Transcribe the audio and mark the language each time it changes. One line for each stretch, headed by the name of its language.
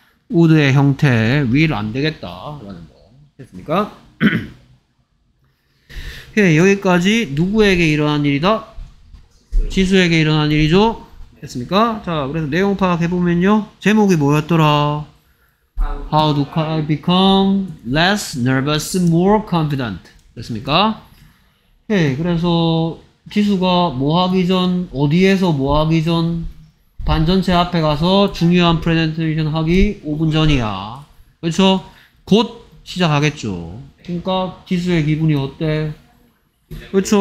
Korean: would의 형태 will 안 되겠다 라는 거 됐습니까? 네, 여기까지 누구에게 일어난 일이다? 지수에게 일어난 일이죠. 됐습니까? 자, 그래서 내용 파악해보면요 제목이 뭐였더라?
English: How do I become less nervous, more confident?
Korean: 됐습니까? 네, 그래서 지수가 뭐 하기 전, 어디에서 뭐 하기 전, 반전체 앞에 가서 중요한 프레젠테이션 하기 5분 전이야. 그렇죠? 곧 시작하겠죠. 그러니까 지수의 기분이 어때? 그렇죠?